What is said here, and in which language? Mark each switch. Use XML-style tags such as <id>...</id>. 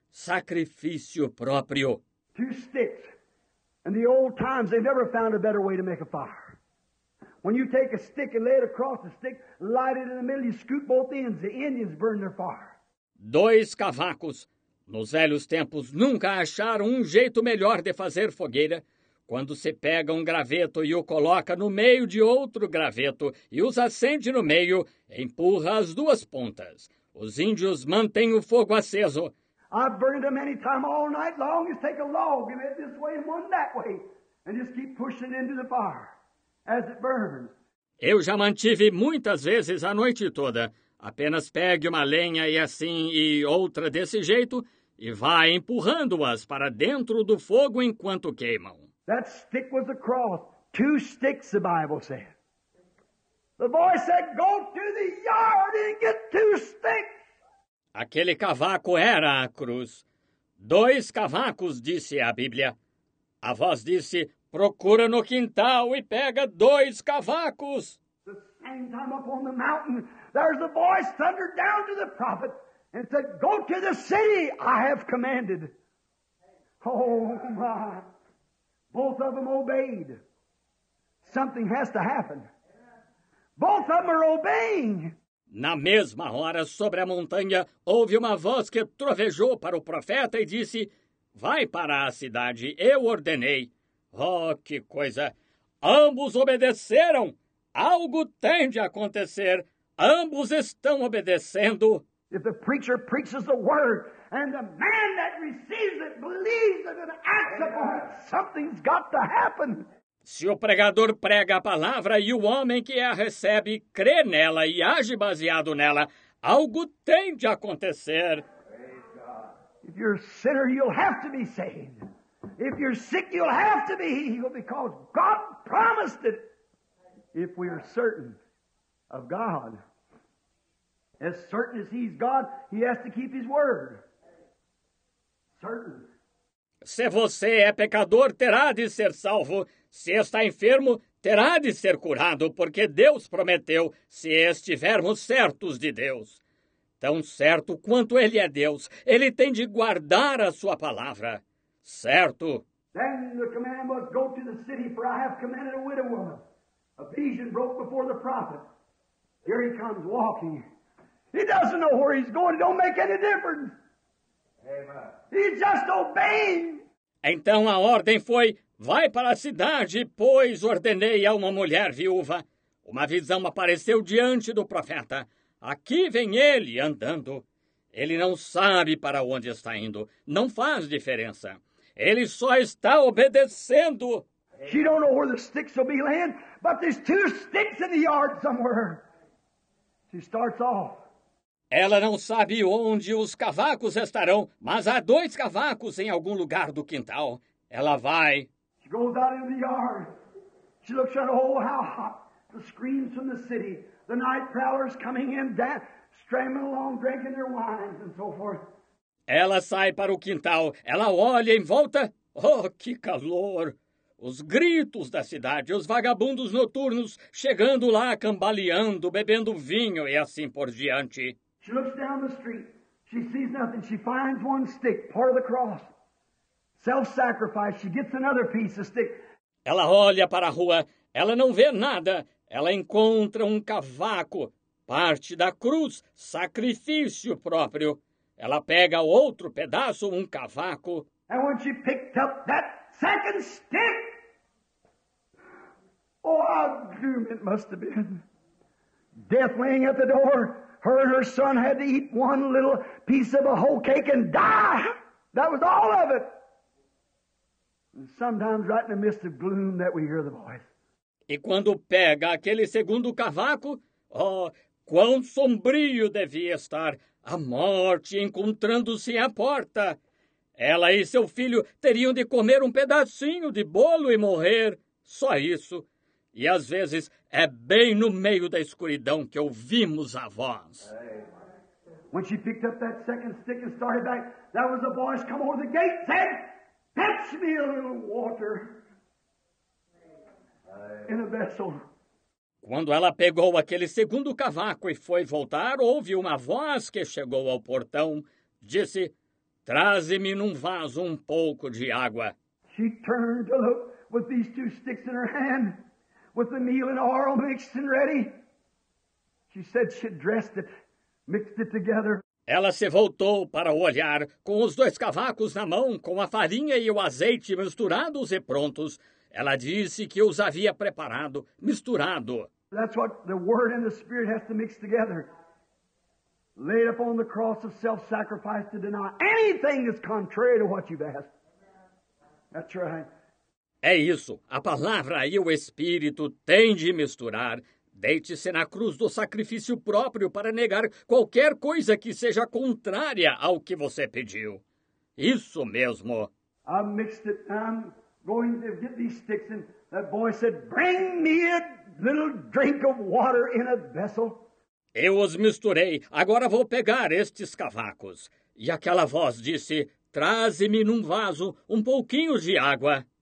<pt>Sacrifício próprio.</pt> <en>Two sticks. In the old times, they never found a better way to make a fire. When you take a stick and lay it across the stick, light it in the middle, you scoop both ends, the Indians burn their fire.</en> <pt>Dois cavacos. Nos velhos tempos, nunca acharam um jeito melhor de fazer fogueira. Quando se pega um graveto e o coloca no meio de outro graveto e os acende no meio, empurra as duas pontas. Os índios mantêm o fogo aceso.</pt> <en>I've burned them any time all night long. Just take a log and it this way and one that way. And just keep pushing into the fire as it burns.</en> <pt>Eu já mantive muitas vezes a noite toda. Apenas pegue uma lenha e assim e outra desse jeito e vá empurrando-as para dentro do fogo enquanto queimam.</pt> <en>That stick was a cross. Two sticks, the Bible said. The boy said, go to the yard and get two sticks.</en> <pt>Aquele cavaco era a cruz. Dois cavacos, disse a Bíblia. A voz disse, procura no quintal e pega dois cavacos.</pt> <en>The same time up on the mountain. There's a voice thundered down to the prophet and said, go to the city I have commanded. Oh, my. Both of them obeyed. Something has to happen. Both of them are obeying.</en> <pt>Na mesma hora, sobre a montanha, houve uma voz que trovejou para o profeta e disse, vai para a cidade, eu ordenei. Oh, que coisa. Ambos obedeceram. Algo tem de acontecer. Ambos estão obedecendo.</pt> <en>If the preacher preaches the word and the man that receives it believes it and acts upon it, something's got to happen.</en> <pt>Se o pregador prega a palavra e o homem que a recebe crê nela e age baseado nela, algo tem de acontecer.</pt> <en>If you're a sinner, you'll have to be saved. If you're sick, you'll have to be healed because God promised it. If we are certain of God. As certain as he's God, he has to keep his word. Certain.</en> <pt>Se você é pecador, terá de ser salvo. Se está enfermo, terá de ser curado, porque Deus prometeu, se estivermos certos de Deus. Tão certo quanto Ele é Deus, Ele tem de guardar a sua palavra. Certo.</pt> <en>Then the command was, go to the city, for I have commanded a widow woman. A vision broke before the prophet. Here he comes walking. He doesn't know where he's going. It don't make any difference. Amen. He's just obeying.</en> <pt>Então a ordem foi, vai para a cidade, pois ordenei a uma mulher viúva. Uma visão apareceu diante do profeta. Aqui vem ele andando. Ele não sabe para onde está indo. Não faz diferença. Ele só está obedecendo.</pt> <en>She don't know where the sticks will be laying, but there's two sticks in the yard somewhere. She starts off.</en> <pt>Ela não sabe onde os cavacos estarão, mas há dois cavacos em algum lugar do quintal. Ela vai.</pt> <en>She goes out in the yard. She looks at, oh, how hot. The screams from the city. The night prowlers coming in, stramming along, drinking their wines and so forth.</en> <pt>Ela sai para o quintal. Ela olha em volta. Oh, que calor! Os gritos da cidade, os vagabundos noturnos chegando lá, cambaleando, bebendo vinho e assim por diante.</pt> <en>She looks down the street. She sees nothing. She finds one stick, part of the cross. Self-sacrifice. She gets another piece of stick.</en> <pt>Ela olha para a rua. Ela não vê nada. Ela encontra um cavaco, parte da cruz, sacrifício próprio. Ela pega outro pedaço, um cavaco.</pt> <en>And when she picked up that second stick, oh, how doom it must have been. Death laying at the door. Her and her son had to eat one little piece of a whole cake and die. That was all of it. And sometimes right in the midst of gloom that we hear the voice.</en> <pt>E quando pega aquele segundo cavaco, oh, quão sombrio devia estar. A morte encontrando-se à porta. Ela e seu filho teriam de comer um pedacinho de bolo e morrer. Só isso. E às vezes é bem no meio da escuridão que ouvimos a voz.</pt> <en>When she picked up that second stick and started back, that was a voice come over the gate and said, fetch me a little water in a vessel.</en> <pt>Quando ela pegou aquele segundo cavaco e foi voltar, houve uma voz que chegou ao portão. Disse, traze-me num vaso um pouco de água.</pt> <en>She turned to look with these two sticks in her hand, with the meal and oil mixed and ready. She said she dressed it, mixed it together.</en> <pt>Ela se voltou para olhar, com os dois cavacos na mão, com a farinha e o azeite misturados e prontos. Ela disse que os havia preparado, misturado.</pt> <en>That's what the word and the spirit has to mix together. Laid upon the cross of self-sacrifice to deny anything that's contrary to what you've asked. That's right.</en> <pt>É isso. A palavra e o espírito têm de misturar. Deite-se na cruz do sacrifício próprio para negar qualquer coisa que seja contrária ao que você pediu. Isso mesmo.</pt> <en>I mixed it. Going to get these sticks, and that boy said, bring me a little drink of water in a vessel.</en> <pt>Eu os misturei. Agora vou pegar estes cavacos. E aquela voz disse, traze-me num vaso um pouquinho de água.</pt>